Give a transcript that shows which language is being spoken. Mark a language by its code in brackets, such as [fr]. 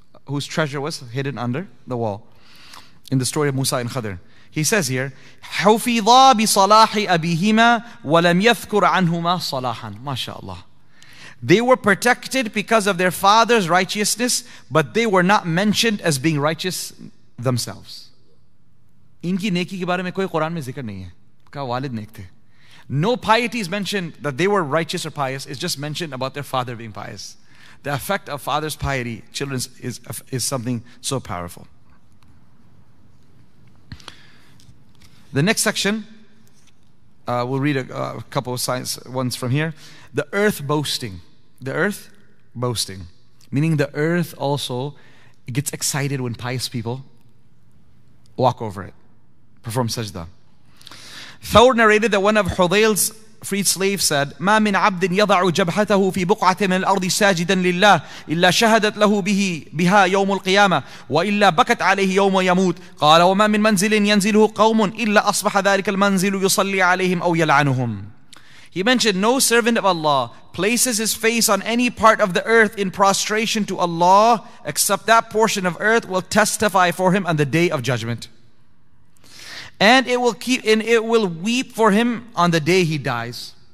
[en] Whose treasure was hidden under the wall in the story of Musa and Khadr. He says here, [ar] حُفِظَا بِصَلَاحِ أَبِيهِمَا وَلَمْ يَذْكُرْ عَنْهُمَا صَلَاحًا. MashaAllah. [en] They were protected because of their father's righteousness, but they were not mentioned as being righteous themselves. [ur] انکی نیکی کے بارے میں کوئی قرآن میں ذکر نہیں ہے. کا والد نیک تھے. [en] No piety is mentioned that they were righteous or pious. It's just mentioned about their father being pious. The effect of father's piety, children's, is something so powerful. The next section, we'll read a couple of science ones from here. The earth boasting. The earth boasting. Meaning the earth also gets excited when pious people walk over it, perform sajda. Thawr narrated that one of Hudayl's freed slave said, [ar] "ما من عبد يضع جبهته في بقعة من الأرض ساجدا لله إلا شهدت له به بها يوم القيامة وإلا بكت عليه يوم يموت. قال وما من منزل ينزله قوم إلا أصبح ذلك المنزل يصلي عليهم أو يلعنهم." [en] He mentioned, "No servant of Allah places his face on any part of the earth in prostration to Allah, except that portion of earth will testify for him on the day of judgment." And it will weep for him on the day he dies.